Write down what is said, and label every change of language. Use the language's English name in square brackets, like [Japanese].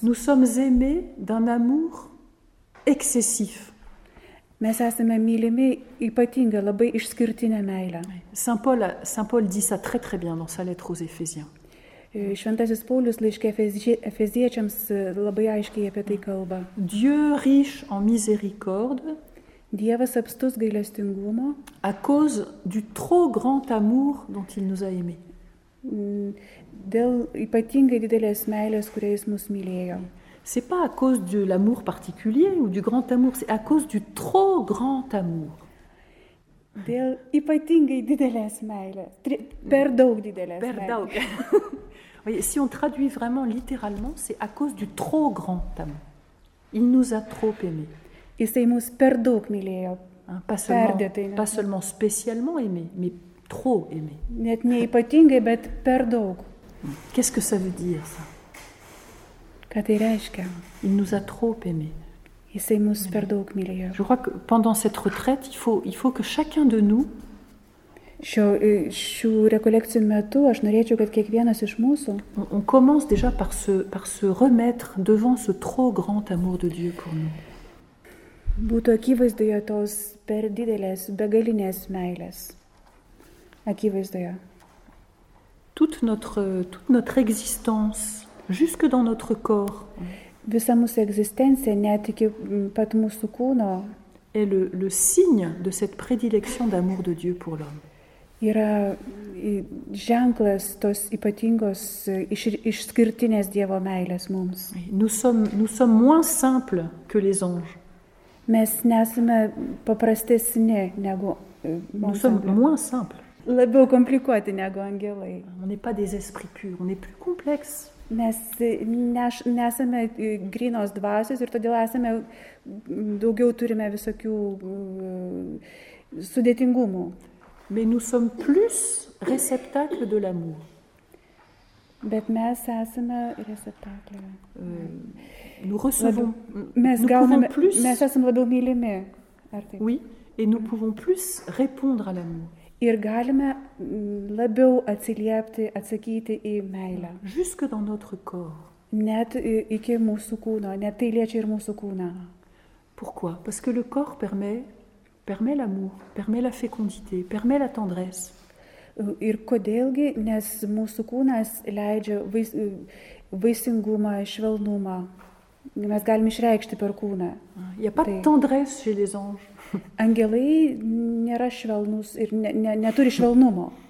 [French] Nous sommes aimés d'un amour excessif. [Lithuanian] Mes esame mylimi ypatinga, labai išskirtinė meilė. [French] Saint Paul dit ça très très bien dans sa lettre aux Éphésiens. [Lithuanian] Šventasis Paulius laiške Efeziečiams labai aiškiai apie tai kalba. [French] Dieu riche en miséricorde, [Lithuanian] Dievas apstus gailestingumo, [French] à cause du trop grand amour dont il nous a aimés. [Lithuanian] Dėl ypatingai didelės meilės, kurią jis mus mylėjo. [French] C'est pas à cause de l'amour particulier ou du grand amour, c'est à cause du trop grand amour. [Lithuanian] Dėl ypatingai didelės meilės, per daug didelės. Per daug. [French] Voyez, si on traduit vraiment littéralement, c'est à cause du trop grand amour. Il nous a trop aimés. [Lithuanian] Jisai mus per daug mylėjo. [French] Pas seulement spécialement aimés, mais trop aimés. [Lithuanian] Net ne ypatingai, bet per daug. [French] Qu'est-ce que ça veut dire ça? [Lithuanian] Ką tai reiškia? [French] Il nous a trop aimés. [Lithuanian] Jisai mus per daug mylėjo. [French] Je crois que pendant cette retraite, il faut que chacun de nous [Lithuanian] šių rekolekcijų metu aš norėčiau, kad kiekvienas iš mūsų [French] on commence déjà par se remettre devant ce trop grand amour de Dieu pour nous. [Lithuanian] Būtų akivaizdoje tos per didelės, begalinės meilės. Akivaizdoje. [French] Toute notre existence jusque dans notre corps. [Lithuanian] Visa mūsų egzistencija, net iki pat mūsų kūno, [French] est le signe de cette prédilection d'amour de Dieu pour l'homme. [Lithuanian] Yra ženklas tos ypatingos išskirtinės Dievo meilės mums. [French] Nous sommes moins simples que les anges. [Lithuanian] Mes nesame paprastesni negu [French] Nous sommes moins simples. [Lithuanian] Labiau komplikuoti negu angelai. [French] On n'est pas des esprits purs, on est plus complexes. [Lithuanian] Mes nesame grynos dvasios ir todėl esame daugiau turime visokių sudėtingumų. [French] Mais nous sommes plus réceptacle de l'amour. [Lithuanian] Bet mes esame réceptacle. [French] Nous recevons. [Lithuanian] Mes esame labiau mylimi. [French] Oui, et nous pouvons plus répondre à l'amour. [Lithuanian] Ir galime labiau atsiliepti, atsakyti į meilę. [French] Jusque dans notre corps. [Lithuanian] Net iki mūsų kūno, net tai liečia ir mūsų kūną. [French] Pourquoi? Parce que le corps permet l'amour, permet la fécondité, permet la tendresse. [Lithuanian] Ir kodėlgi, nes mūsų kūnas leidžia vaisingumą, švelnumą. Mes galime išreikšti per kūną. [French] Il y a pas de tendresse chez les anges. [Lithuanian] Angelai nėra švelnus ir neturi švelnumo.